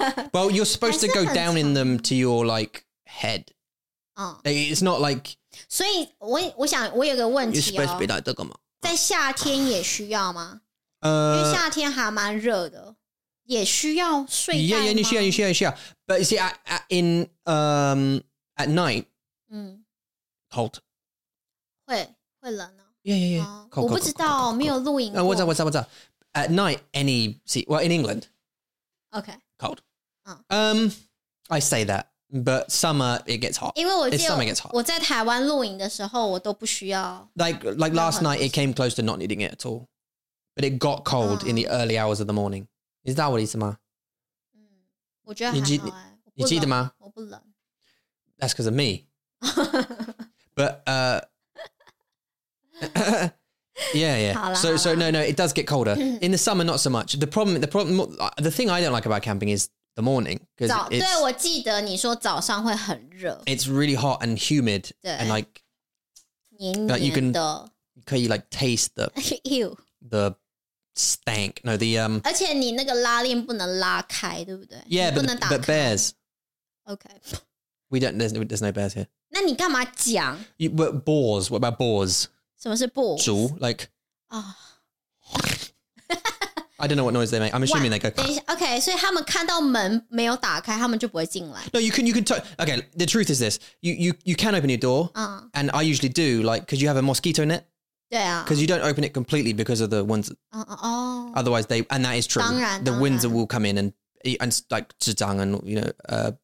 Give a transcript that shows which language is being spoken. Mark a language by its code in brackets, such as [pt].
[en] Well, you're supposed to go down in them to your, like, head.、It's not like... [zh] 所以 我想我有个问题哦。 [en] You're supposed to be like [zh] 这个吗？在夏天也需要吗？因为夏天还蛮热的。也需要睡袋吗？ [en] Yeah, [zh] 你需要。 [en] But you see, at night, cold. [zh] 会冷啊。 [en] Yeah. [zh] Cold, 我不知道 [en] cold, [zh] 没有录影 [en] 过。What's up? At night, in England. Okay. Cold. I say that, but summer, it gets hot. Summer gets hot. [zh] 我在台湾录影的时候我都不需要。 [en] Like last night, it came close to not needing it at all. But it got cold in the early hours of the morning. Is that what [zh] 意思吗？我觉得还好耶。你记得吗？我不冷。 [en] That's because of me. But, yeah. [zh] 好啦, [en] so no, it does get colder. In the summer, not so much. The problem, the thing I don't like about camping is the morning. [zh] 对，我记得你说早上会很热。 [en] It's really hot and humid. And like, [zh] 黏黏的。 [en] Like you can like taste the, ew. The stank. No, the, [zh] 而且你那个拉链不能拉开，对不对？ [en] Yeah, but bears. Okay. We don't, there's no bears here. [zh] 那你干嘛讲？ [en] But boars, what about boars? [zh] 什么是 boar? 猪 like...、 [en] Oh. I don't know what noise they make. I'm assuming they go... [zh] 等一下 okay, 所以他们看到门没有打开他们就不会进来。 [en] No, you can talk... Okay, the truth is this. You can open your door,、and I usually do, like, because you have a mosquito net. [zh] 对啊。 [en] Because you don't open it completely because of the winds. Otherwise they... And that is true. [zh] 当然。 [en] The winds will come in and like, [zh] 智障 [en] and, you know...